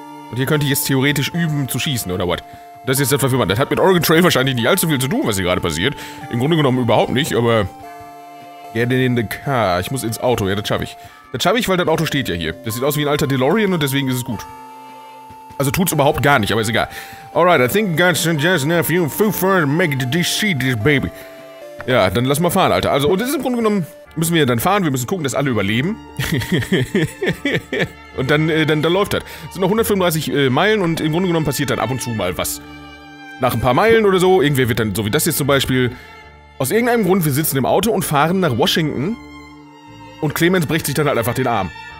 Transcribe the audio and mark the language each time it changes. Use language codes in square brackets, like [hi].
[de] Und hier könnte ich jetzt theoretisch üben zu schießen, oder what? Das ist jetzt das Verfügbar. Das hat mit Oregon Trail wahrscheinlich nicht allzu viel zu tun, was hier gerade passiert. Im Grunde genommen überhaupt nicht, aber. [en] Get in the car. [de] Ich muss ins Auto. Ja, das schaffe ich. Das schaffe ich, weil das Auto steht ja hier. Das sieht aus wie ein alter DeLorean und deswegen ist es gut. Also tut's überhaupt gar nicht, aber ist egal. [en] Alright, I think God's just enough for you and food for make it to DC, this baby. [de] Ja, dann lass mal fahren, Alter. Also, und das ist im Grunde genommen, müssen wir dann fahren, wir müssen gucken, dass alle überleben. Und dann läuft das. Es sind noch 135 Meilen und im Grunde genommen passiert dann ab und zu mal was. Nach ein paar Meilen oder so, irgendwer wird dann, so wie das jetzt zum Beispiel, aus irgendeinem Grund, wir sitzen im Auto und fahren nach Washington und Clemens bricht sich dann halt einfach den Arm.